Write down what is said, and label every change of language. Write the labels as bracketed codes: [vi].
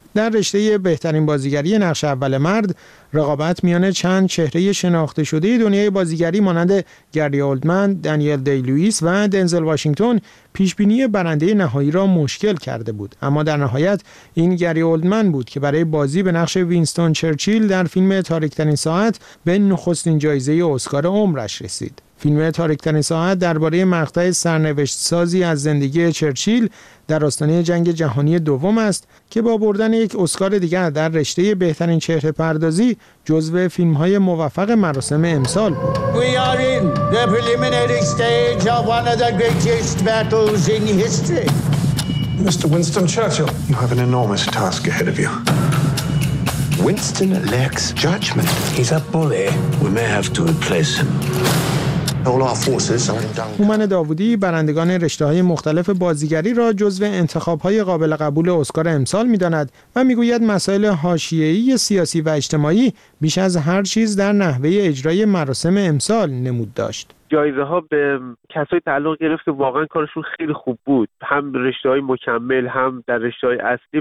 [fa] در رشته بهترین بازیگری نقش اول مرد، رقابت میان چند چهره شناخته شده دنیای بازیگری مانند گری اولدمن، دنیل دی‌لوئیس و دنزل واشنگتن پیشبینی برنده نهایی را مشکل کرده بود، اما در نهایت این گری اولدمن بود که برای بازی به نقش وینستون چرچیل در فیلم تاریک‌ترین ساعت به نخستین جایزه اسکار عمرش رسید. فیلم تاریک‌ترین ساعت درباره مقطع سرنوشت سازی از زندگی چرچیل در آستانه جنگ جهانی دوم است که با بردن یک اسکار دیگر در رشته بهترین چهره پردازی جزو فیلم های موفق مراسم امسال بود. [en] We are in the preliminary stage of one of the greatest battles in history. Mr. Winston Churchill, you have an enormous task ahead of you. Winston lacks judgment. He's a bully. We may have to replace him. [fa] هومن داوودی برندگان رشته‌های مختلف بازیگری را جزو انتخاب‌های قابل قبول اسکار امسال می‌داند و می‌گوید مسائل حاشیه‌ای سیاسی و اجتماعی بیش از هر چیز در نحوه اجرای مراسم امسال نمود داشت. جایزه‌ها به کسایی تعلق گرفت که واقعاً کارشون خیلی خوب بود، هم رشته‌های مکمل هم در رشته‌های اصلی.